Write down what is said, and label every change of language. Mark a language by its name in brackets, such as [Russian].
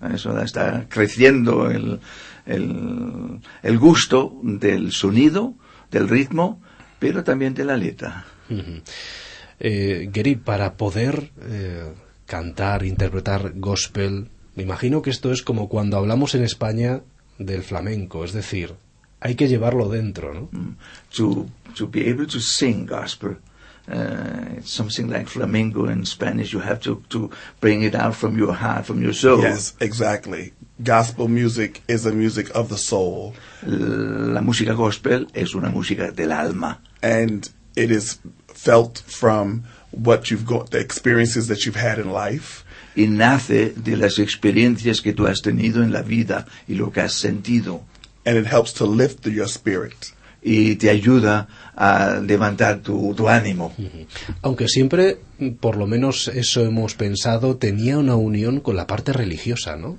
[Spanish] Está creciendo el gusto del sonido, del ritmo, pero también de la letra. Gary, para poder cantar, interpretar gospel, me imagino que esto es como cuando hablamos en España del flamenco, es decir, hay que llevarlo dentro, ¿no? [English] To be able to sing gospel, something like flamenco in Spanish, you have to bring it out from your heart, from your soul. Yes, exactly. Gospel music is a music of the soul. [Spanish] La música gospel es una música del alma. [English] And it is felt from what you've got, the experiences that you've had in life. [Spanish] Y nace de las experiencias que tú has tenido en la vida y lo que has sentido. [English] And it helps to lift your spirit. [Spanish] Y te ayuda a levantar tu ánimo. Aunque siempre, por lo menos eso hemos pensado, tenía una unión con la parte religiosa, ¿no?